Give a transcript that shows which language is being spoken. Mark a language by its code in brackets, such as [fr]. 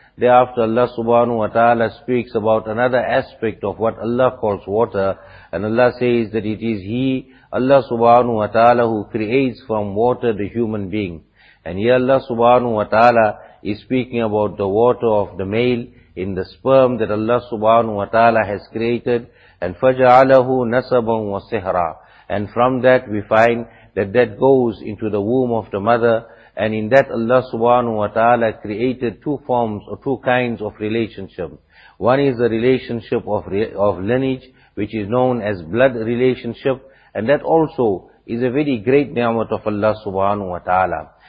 [en] Thereafter Allah subhanahu wa ta'ala speaks about another aspect of what Allah calls water, and Allah says that it is He, Allah subhanahu wa ta'ala, who creates from water the human being. And here Allah subhanahu wa ta'ala is speaking about the water of the male in the sperm that Allah subhanahu wa ta'ala has created. [ar] And فَجَعَلَهُ نَسَبًا وَصِهْرًا. [en] And from that we find that that goes into the womb of the mother, and in that Allah subhanahu wa ta'ala created two forms or two kinds of relationship. One is the relationship of lineage, which is known as blood relationship, and that also is a very great ni'mat of Allah subhanahu wa ta'ala.